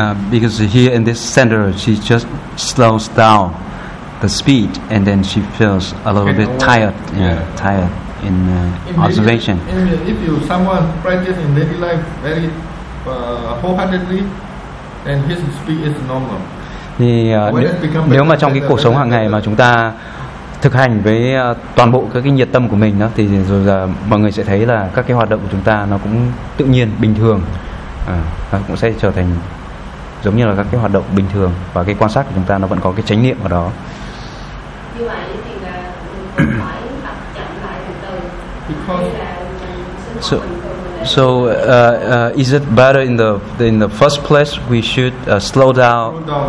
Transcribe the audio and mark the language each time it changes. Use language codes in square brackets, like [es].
[en] Because here in this center, she just slows down the speed, and then she feels a little bit tired. Tired in observation. If you someone practice in daily life very wholeheartedly, then his speed is normal. [vi] Thì nếu mà trong cái cuộc sống hàng ngày mà chúng ta thực hành với toàn bộ các cái nhiệt tâm của mình đó, thì rồi là mọi người sẽ thấy là các cái hoạt động của chúng ta nó cũng tự nhiên bình thường. À, cũng sẽ trở thành giống như là các cái hoạt động bình thường và cái quan sát của chúng ta nó vẫn có cái chánh niệm ở đó. Như vậy thì là phải tập chậm lại từ từ. [en] Is it better in the first place we should slow down?